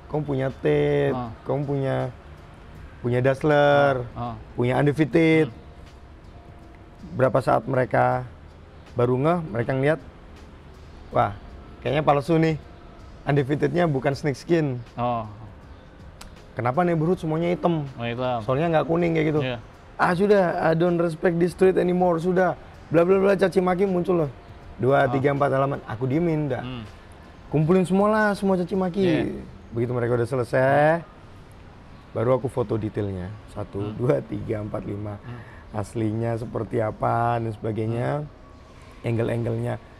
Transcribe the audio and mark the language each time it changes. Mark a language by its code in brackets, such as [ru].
[id] Kamu punya Tate, kamu punya Dazzler, punya Undefeated. Berapa saat mereka baru ngeh, mereka ngeliat, wah kayaknya palsu nih, Undefeated-nya bukan snake skin. Kenapa Neighborhood semuanya hitam? Soalnya nggak kuning kayak gitu. Ah sudah, [en] I don't respect this street anymore, [id] sudah. Bla bla bla, caci maki muncul loh. 2, 3, 4 halaman, aku diemin dah. Kumpulin semualah, semua caci maki. Begitu mereka udah selesai, baru aku foto detailnya. 1, 2, 3, 4, 5. Aslinya seperti apa dan sebagainya. Angle-angle-nya.